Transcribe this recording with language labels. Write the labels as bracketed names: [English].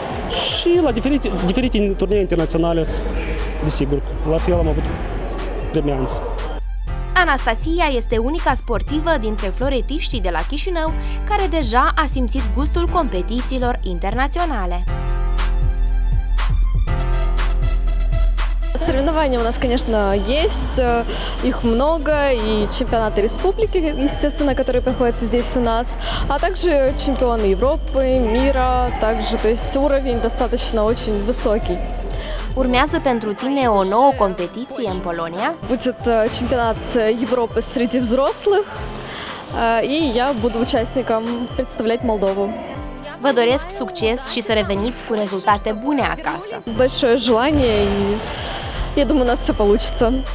[Romanian] Și la diferite turnee internaționale, desigur, la fel am avut premianți. Anastasia este unica sportivă dintre floretiștii de la Chișinău care deja a simțit gustul competițiilor internaționale. [Russian] Соревнования у нас, конечно, есть, их много, и чемпионаты республики, естественно, которые проходят здесь у нас, а также чемпионы Европы, мира, также, то есть уровень достаточно очень высокий. [Romanian] Urmează pentru tine o nouă competiție în Polonia? [Russian] Будет чемпионат Европы среди взрослых, и я буду участником представлять Молдову. [Romanian] Vă doresc succes și să reveniți cu rezultate bune acasă. [Russian] Большое желание и я думаю, у нас все получится.